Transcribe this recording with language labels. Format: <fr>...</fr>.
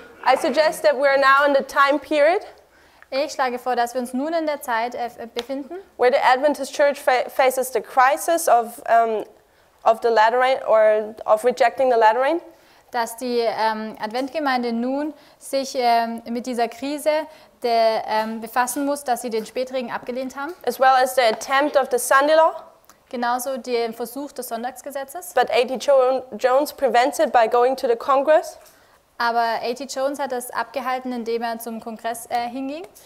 <en>I suggest that we are now in the time period.</en> <de>Ich schlage vor, dass wir uns nun in der Zeit befinden,</de> <en>where the Adventist Church faces the crisis of the Lateran or of rejecting the Lateran.</en> <de>Dass die Adventgemeinde nun sich mit dieser Krise befassen muss, dass sie den Spätregen abgelehnt haben.</de> <en>As well as the attempt of the Sunday law.</en> <de>Genauso den Versuch des Sonntagsgesetzes.</de> <en>But A.T. Jones prevents it by going to the Congress.</en> <de>Aber A.T. Jones hat das abgehalten, indem er zum Kongress hinging.</de>